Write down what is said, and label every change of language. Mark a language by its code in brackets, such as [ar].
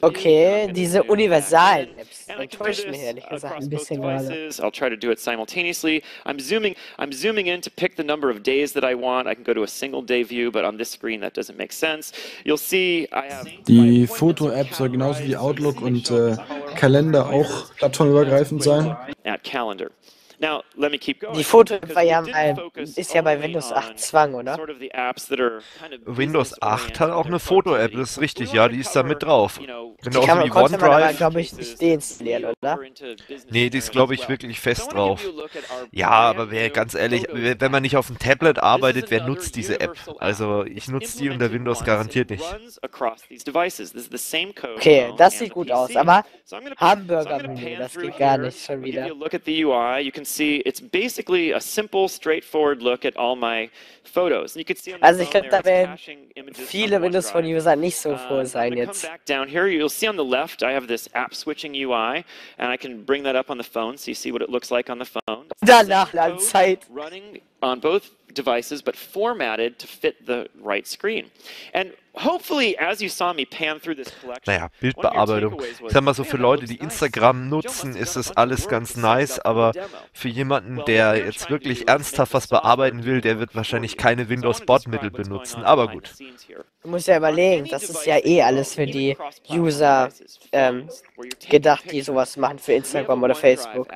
[de] Okay, diese universalen Apps enttäuschen mich ehrlich gesagt ein bisschen gerade. [en] I'll try to do it simultaneously. I'm zooming in to pick the number of days that I want. I can go to a single day view, but on this screen that doesn't make sense. You'll see I have [de] die Foto App soll genauso wie Outlook und Kalender auch plattformübergreifend sein. [en] At calendar. [de] Die Foto-App war ja mal, ist ja bei Windows 8 Zwang, oder? Windows 8 hat auch eine Foto-App, das ist richtig, ja, die ist da mit drauf. Genau wie OneDrive. Die kann man, glaube ich, nicht deinstallieren, oder? Nee, die ist, glaube ich, wirklich fest drauf. Ja, aber wer, ganz ehrlich, wenn man nicht auf dem Tablet arbeitet, wer nutzt diese App? Also, ich nutze die unter Windows garantiert nicht. Okay, das sieht gut aus, aber Hamburger-Menü, das geht gar nicht schon wieder. [en] You can see it's basically a simple, straightforward look at all my photos. And you can see [de] also ich glaube, da werden viele Windows Phone User nicht so froh sein jetzt. [en] Down here, you'll see on the left, I have this app switching UI, and I can bring that up on the phone, so you see what it looks like on the phone. [de] Danach lang Zeit. [en] Running on both devices, but formatted to fit the right screen. And hopefully, as you saw me pan through this collection. [de] Naja, Bildbearbeitung. Ich sag mal so, für Leute, die Instagram nutzen, ist es alles ganz nice, aber für jemanden, der jetzt wirklich ernsthaft was bearbeiten will, der wird wahrscheinlich keine Windows-Bot-Mittel benutzen, aber gut. Du musst ja überlegen, das ist ja eh alles für die User gedacht, die sowas machen für Instagram oder Facebook.